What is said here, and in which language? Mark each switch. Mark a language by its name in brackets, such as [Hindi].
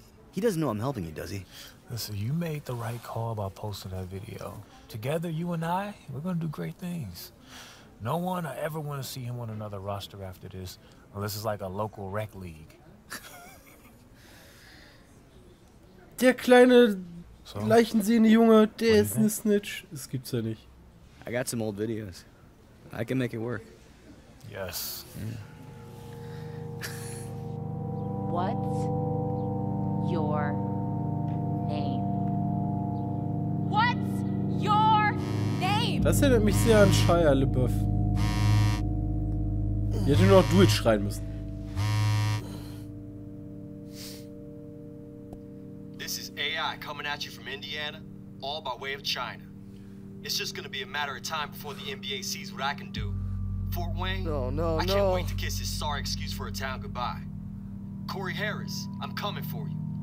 [English] He doesn't know I'm helping you, does he? Listen, you made the right call about posting that video. Together, you and I, we're gonna do great things. No one I ever want to see him on another roster after this, unless it's like a local rec league. [German] Der kleine leichensehende Junge, der ist ein Snitch. Das gibt's ja nicht. [English] I got some old videos. I can make it work. Yes. Yeah. What's your name? What's your name? [German] Das erinnert mich sehr an Shia LaBeouf. Ich hätte nur noch Do It schreien müssen. [English] This is AI coming at you from Indiana, all by way of China. It's just gonna be a matter of time before the NBA sees what I can do. Fort Wayne, no. I can't wait to kiss his sorry excuse for a town goodbye. Corey Harris, I'm coming for you.